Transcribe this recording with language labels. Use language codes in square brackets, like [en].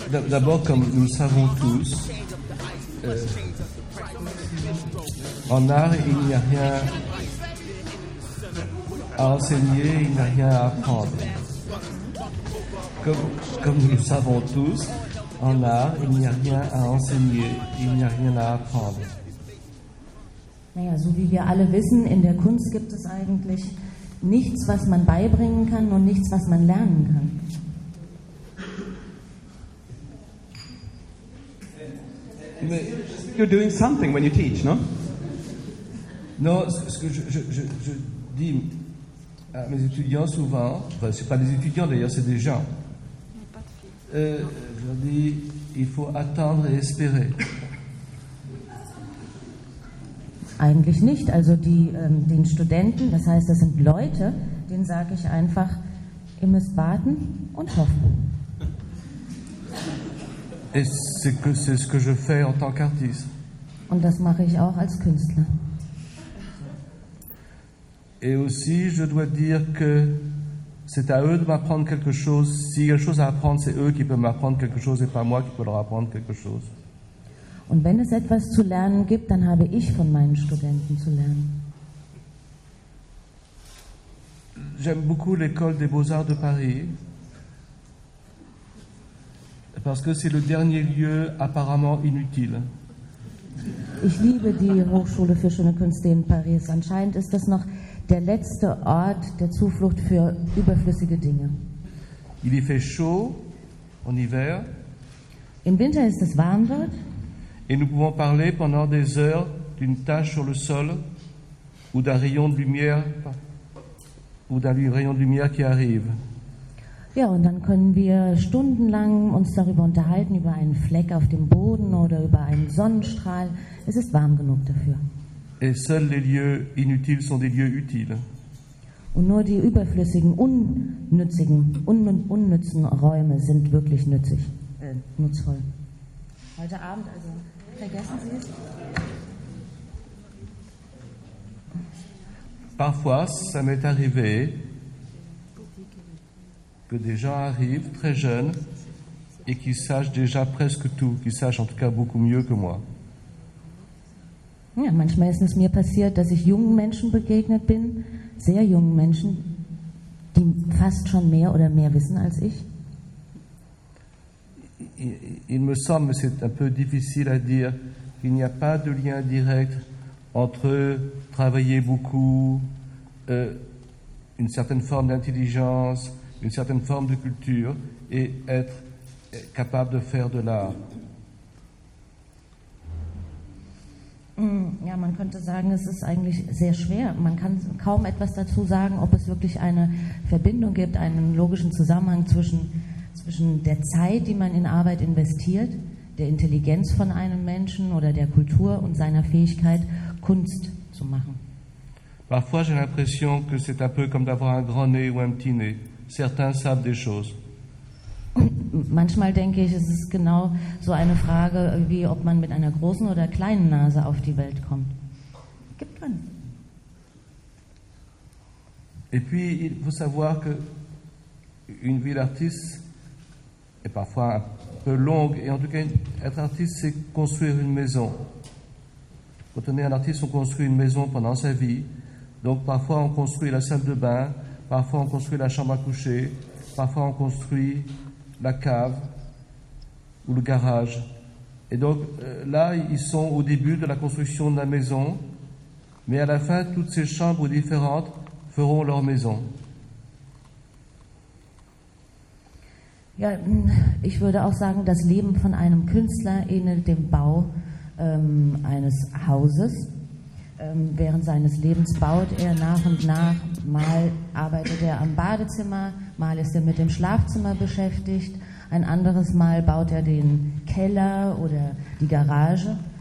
[fr] d'abord, comme nous savons tous, en art, il n'y a rien à enseigner, il n'y a rien à apprendre. Comme nous savons tous, en art, il n'y a rien à enseigner, il n'y a rien à apprendre. [de] Naja, so wie wir alle wissen, in der Kunst gibt es eigentlich nichts, was man beibringen kann und nichts, was man lernen kann. [en] You're doing something when you teach, no? [fr] Non, ce que je dis à mes étudiants souvent, enfin, c'est pas des étudiants d'ailleurs, c'est des gens. Je leur dis, il faut attendre et espérer. [de] Eigentlich nicht. Also die, den Studenten, das heißt, das sind Leute, denen sage ich einfach, ihr müsst warten und hoffen. [fr] Et c'est ce que je fais en tant qu'artiste. [de] Und das mache ich auch als Künstler. [fr] Et aussi, je dois dire que c'est à eux de m'apprendre quelque chose. S'il y a quelque chose à apprendre, c'est eux qui peuvent m'apprendre quelque chose et pas moi qui peux leur apprendre quelque chose. [de] Und wenn es etwas zu lernen gibt, dann habe ich von meinen Studenten zu lernen. [fr] J'aime beaucoup l'école des Beaux-Arts de Paris. Parce que c'est le dernier lieu apparemment inutile. [de] Ich liebe die Hochschule für schöne Künste in Paris. Anscheinend ist das noch der letzte Ort der Zuflucht für überflüssige Dinge. [fr] Il y fait chaud en hiver. [de] Im Winter ist es warm dort. [fr] Et nous pouvons parler pendant des heures d'une tache sur le sol ou d'un rayon de lumière ou d'un rayon de lumière qui arrive. [de] Ja, und dann können wir stundenlang uns darüber unterhalten, über einen Fleck auf dem Boden oder über einen Sonnenstrahl. Es ist warm genug dafür. [fr] Et seuls les lieux inutiles sont des lieux utiles. [de] Und nur die überflüssigen, unnützigen, unnützen Räume sind wirklich nützig, nutzvoll. Heute Abend, also vergessen Sie es. [fr] Parfois, ça m'est arrivé, que des gens arrivent très jeunes et qu'ils sachent déjà presque tout, qu'ils sachent en tout cas beaucoup mieux que moi. [de] Ja, manchmal ist es mir passiert, dass ich jungen Menschen begegnet bin, sehr jungen Menschen, die fast schon mehr oder mehr wissen als ich. [fr] Il me semble, mais c'est un peu difficile à dire, qu'il n'y a pas de lien direct entre travailler beaucoup, une certaine forme d'intelligence, une certaine forme de culture et être capable de faire de l'art. [de] Ja, man könnte sagen, es ist eigentlich sehr schwer. Man kann kaum etwas dazu sagen, ob es wirklich eine Verbindung gibt, einen logischen Zusammenhang zwischen der Zeit, die man in Arbeit investiert, der Intelligenz von einem Menschen oder der Kultur und seiner Fähigkeit, Kunst zu machen. [fr] Parfois, j'ai l'impression que c'est un peu comme d'avoir un grand nez ou un petit nez. Certains savent des choses. [de] Manchmal denke ich, es ist genau so eine Frage, wie ob man mit einer großen oder kleinen Nase auf die Welt kommt. Gibt man. [fr] Et puis, il faut savoir que une vie d'artiste est parfois un peu longue. Et en tout cas, être artiste, c'est construire une maison. Quand on est un artiste, on construit une maison pendant sa vie. Donc parfois, on construit la salle de bain. Parfois on construit la chambre à coucher, parfois on construit la cave ou le garage. Et donc là, ils sont au début de la construction de la maison, mais à la fin, toutes ces chambres différentes feront leur maison. [de] Ja, ich würde auch sagen, das Leben von einem Künstler ähnelt dem Bau eines Hauses. Während seines Lebens baut er nach und nach, mal arbeitet er am Badezimmer, mal ist er mit dem Schlafzimmer beschäftigt, ein anderes Mal baut er den Keller oder die Garage.